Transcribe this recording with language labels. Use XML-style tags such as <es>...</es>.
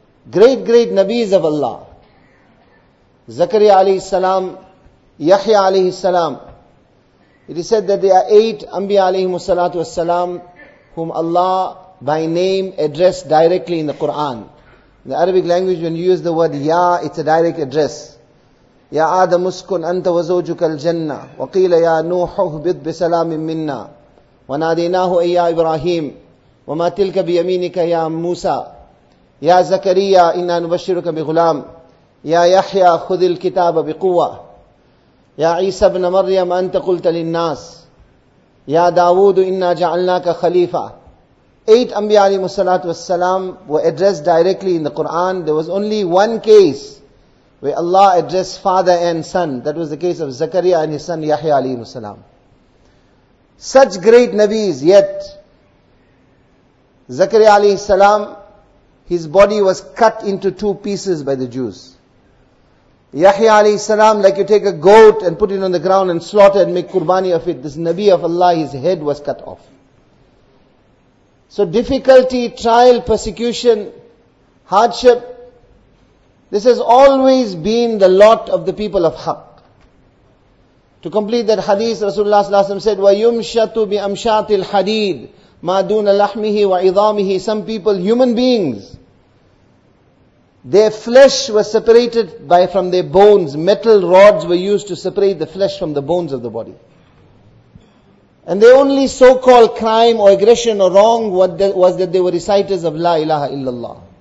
<en>Great, great Nabis of Allah, Zakariya alayhi salam, Yahya alayhi salam, it is said that there are 8 Anbiya alayhi salatu was salam whom Allah by name addressed directly in the Quran. In the Arabic language, when you use the word Ya, it's a direct address.</en> <ar>Ya Adam uskun anta wa zawjuka al-jannah, wa qila ya Nuhu uhbid bi salamin minna, وَنَادِيْنَاهُ أَيَّا إِبْرَاهِيمُ وَمَا تِلْكَ بِيَمِينِكَ يَا مُوسَى يَا زَكَرِيَّا إِنَّا نُبَشِّرُكَ بِغُلَامٍ يَا يَحْيَى خُذِ الْكِتَابَ بِقُوَّةٍ يَا عِيسَى ابْنَ مَرْيَمَ أَنْتَ قُلْتَ لِلنَّاسِ يَا دَاوُودُ إِنَّا جَعَلْنَاكَ خَلِيفَةً.</ar> <en>8 Anbiya alayhi salatu was salam were addressed directly in the Quran. There was only one case where Allah addressed father and son. That was the case of Zakariya and his son Yahya alayhi salam. Such great Nabis, yet Zakariya alayhi salam, his body was cut into 2 pieces by the Jews. Yahya alayhi salam, like you take a goat and put it on the ground and slaughter and make qurbani of it, this Nabi of Allah, his head was cut off. So difficulty, trial, persecution, hardship, this has always been the lot of the people of Haqq. To complete that hadith, Rasulullah ﷺ said,</en> <ar>وَيُمْشَتُ بِأَمْشَاتِ الْحَدِيدِ مَا دُونَ لَحْمِهِ وَعِظَامِهِ.</ar> <en>Some people, human beings, their flesh was separated from their bones. Metal rods were used to separate the flesh from the bones of the body. And their only so-called crime or aggression or wrong was that they were reciters of La ilaha illallah.</en>